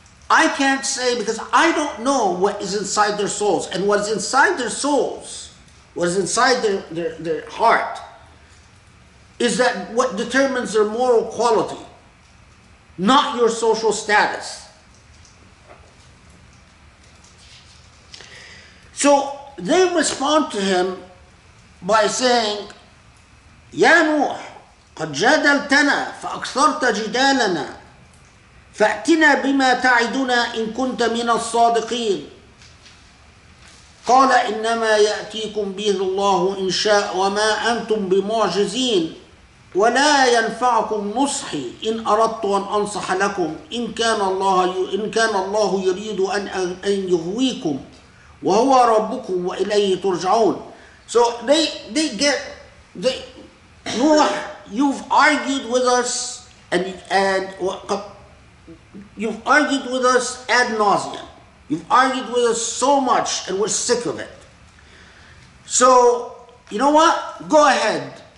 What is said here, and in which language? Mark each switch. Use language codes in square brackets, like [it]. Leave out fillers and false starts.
[en] I can't say because I don't know what is inside their souls. And what is inside their souls, what is inside their heart, is that what determines their moral quality, not your social status. So they respond to him by saying, [ar] Ya Nuh, قد جادلتنا فأكثرت جدالنا فأتنا بما تعدنا إن كنت من الصادقين قال إنما يأتيكم به الله إن شاء وما أنتم بمعجزين ولا ينفعكم نصحي إن أردت أن أنصح لكم إن كان الله يريد أن يغويكم وهو ربكم وإليه ترجعون. [en] So Nuh, you've argued with us and you've argued with us ad nauseam. You've argued with us so much and we're sick of it. So, you know what? Go ahead.